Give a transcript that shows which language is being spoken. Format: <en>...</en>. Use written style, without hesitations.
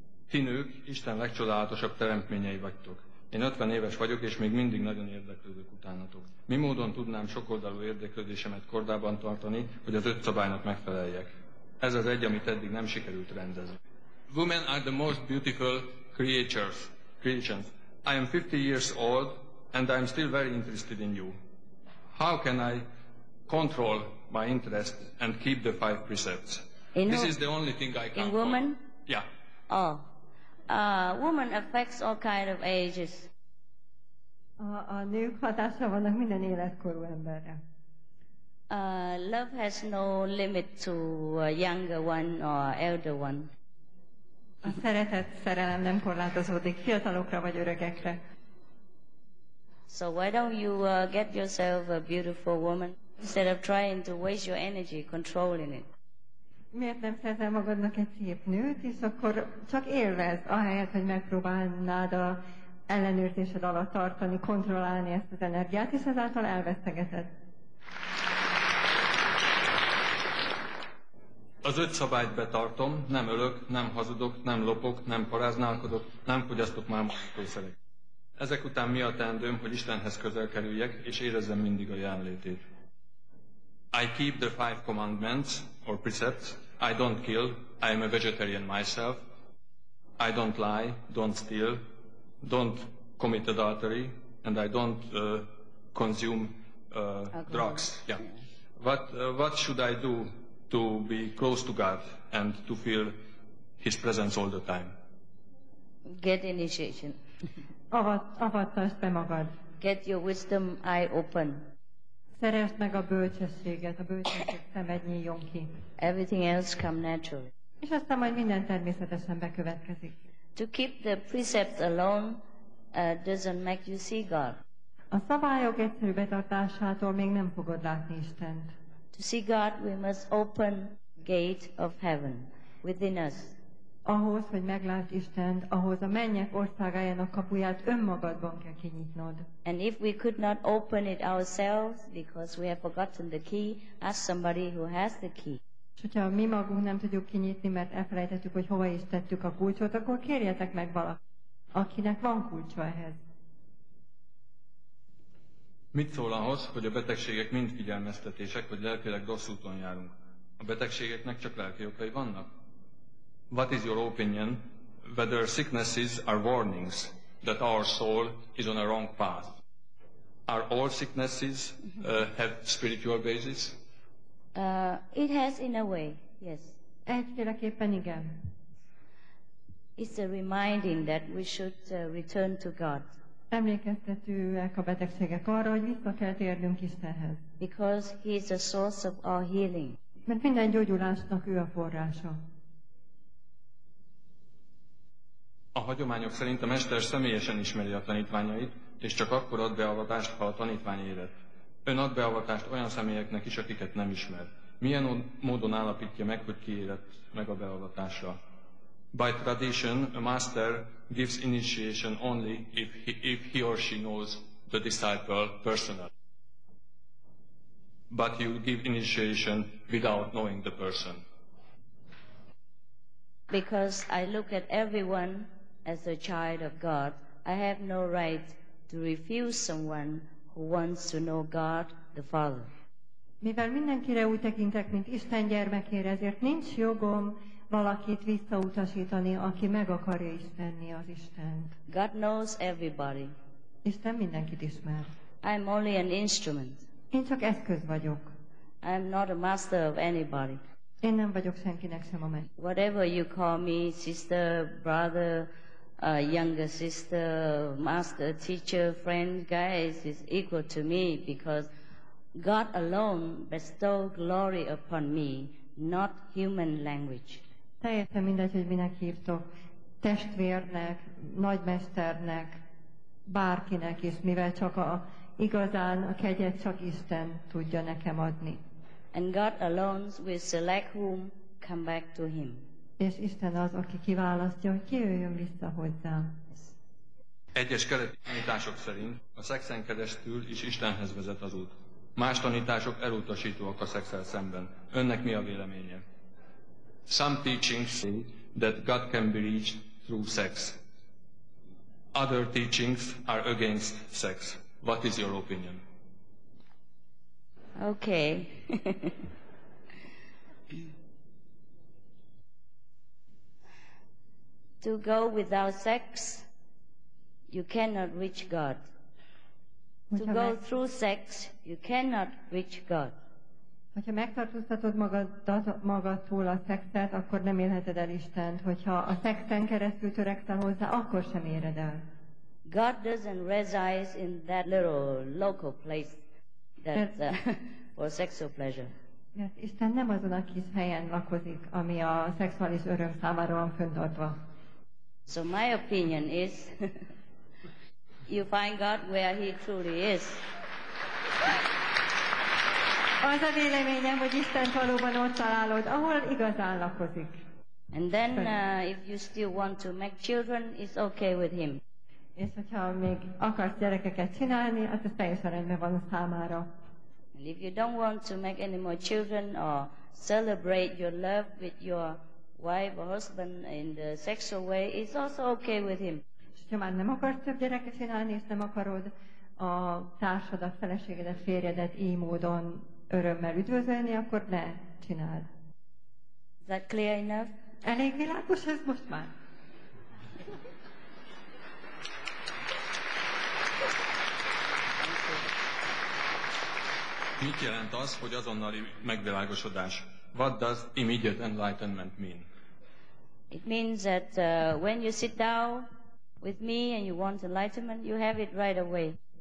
<hu>Ti nők, Isten legcsodálatosabb teremtményei vagytok. Én 50 éves vagyok, és még mindig nagyon érdeklődök utánatok. Mi módon tudnám sokoldalú érdeklődésemet kordában tartani, hogy az öt szabálynak megfeleljek? Ez az egy, amit eddig nem sikerült rendezni.</hu> <en>Women are the most beautiful creations. I am 50 years old, and I am still very interested in you. How can I control my interest and keep the five precepts? This is the only thing I can woman? For. Yeah. Oh, woman affects all kind of ages.</en> <hu>A nők hatása vannak minden életkorú emberre.</hu> <en>Love has no limit to a younger one or elder one.</en> <hu>A szeretet szerelem nem korlátozódik fiatalokra vagy öregekre.</hu> <en>So why don't you get yourself a beautiful woman instead of trying to waste your energy controlling it?</en> <hu>Miért nem szerzel magadnak egy szép nőt, és akkor csak élvez, ahelyett, hogy megpróbálnád a ellenőrzésed alatt tartani, kontrollálni ezt az energiát, és ezáltal elvesztegeted. Az öt szabályt betartom, nem ölök, nem hazudok, nem lopok, nem paráználkodok, nem fogyasztok mámorítószereket. Ezek után mi a teendőm, hogy Istenhez közel kerüljek, és érezzem mindig a jelenlétét.</hu> <en>I keep the five commandments, or precepts. I don't kill, I am a vegetarian myself. I don't lie, don't steal, don't commit adultery, and I don't consume drugs. Yeah. What should I do to be close to God and to feel His presence all the time? Get initiation.</en> <hu>Avatasd be magad.</hu> <en>Get your wisdom eye open.</en> <hu>Szeresd meg a bölcsességet, a bölcsesség szemed nyíljon ki.</hu> <en>Everything else come naturally.</en> <hu>És aztán majd minden természetesen bekövetkezik.</hu> <en>To keep the precepts alone doesn't make you see God.</en> <hu>A szabályok egyszerű betartásától még nem fogod látni Istent.</hu> <en>To see God we must open gate of heaven within us.</en> <hu>Ahhoz, hogy meglásd Istent, ahhoz a mennyek országájának kapuját önmagadban kell kinyitnod.</hu> <en>And if we could not open it ourselves because we have forgotten the key, ask somebody who has the key.</en> <hu>És hogyha mi magunk nem tudjuk kinyitni, mert elfelejtettük, hogy hova is tettük a kulcsot, akkor kérjetek meg valakit, akinek van kulcsa ehhez. Mit szól ahhoz, hogy a betegségek mind figyelmeztetések, hogy lelkileg rossz úton járunk? A betegségeknek csak lelki okai vannak?</hu> <en>What is your opinion whether sicknesses are warnings that our soul is on a wrong path? Are all sicknesses have spiritual basis? It has in a way, yes.</en> <hu>Egyféleképpen igen.</hu> <en>It's a reminding that we should return to God.</en> <hu>Emlékeztetőek a betegségek arra, hogy vissza kell térnünk Istenhez.</hu> <en>Because He is the source of our healing.</en> <hu>Mert minden gyógyulásnak ő a forrása. A hagyományok szerint a mester személyesen ismeri a tanítványait, és csak akkor ad beavatást, ha a tanítvány érett. Ön ad beavatást olyan személyeknek is, akiket nem ismer. Milyen módon állapítja meg, hogy ki érett meg a beavatásra?</hu> <en>By tradition, a master gives initiation only if he or she knows the disciple personally. But you give initiation without knowing the person. Because I look at everyone as a child of God, I have no right to refuse someone who wants to know God the Father.</en> <hu>Mivel mindenkire úgy tekintek, mint Isten gyermekére, ezért nincs jogom valakit visszautasítani, aki meg akarja ismerni az Istent.</hu> <en>God knows everybody.</en> <hu>Isten mindenkit ismer.</hu> <en>I'm only an instrument.</en> <hu>Én csak eszköz vagyok.</hu> <en>I'm not a master of anybody.</en> <hu>Én nem vagyok senkinek sem a mester.</hu> <en>Whatever you call me, sister, brother, younger sister, master, teacher, friend, guys, is equal to me because God alone bestowed glory upon me, not human language.</en> <hu>Teljesen mindegy, hogy minek hívtok, testvérnek, nagymesternek, bárkinek is, mivel csak igazán a kegyet csak Isten tudja nekem adni.</hu> <en>And God alone will select whom come back to Him.</en> <hu>És Isten az, aki kiválasztja, hogy ki jöjjön vissza hozzá. Egyes keleti tanítások szerint a szexen keresztül is Istenhez vezet az út. Más tanítások elutasítóak a szexel szemben. Önnek mi a véleménye?</hu> <en>Some teachings say that God can be reached through sex. Other teachings are against sex. What is your opinion? Okay. To go without sex, you cannot reach God. To go through sex, you cannot reach God.</en> <hu>Hogyha megtartóztatod magadtól a szexet, akkor nem élheted el Istent. Hogyha a szexen keresztül törekszel hozzá, akkor sem éred el.</hu> <en>God doesn't reside in that little local place that's for sexual pleasure.</en> <hu>Mert Isten nem azon a kis helyen lakozik, ami a szexuális öröm számára van fönntartva.</hu> <en>So my opinion is, you find God where He truly is.</en> <hu>Az a véleményem, hogy Isten valóban ott találod, ahol igazán lakozik.</hu> <en>And then, if you still want to make children, it's okay with Him.</en> <hu>És hogyha még akarsz gyerekeket csinálni, az teljesen rendben van a számára.</hu> <en>And if you don't want to make any more children or celebrate your love with your wife or husband in the sexual way, it's also okay with him.</en> <hu>Ha már nem akarsz több gyereket csinálni, és nem akarod a társad, a feleséged, a férjedet így módon örömmel üdvözölni, akkor ne csináld.</hu> <en>Is that clear enough?</en> <hu>Elég világos ez most már? Mit jelent az, hogy azonnali megvilágosodás?</hu> <en>What does immediate enlightenment mean? It means that when you sit down with me and you want enlightenment, you have it right away.</en>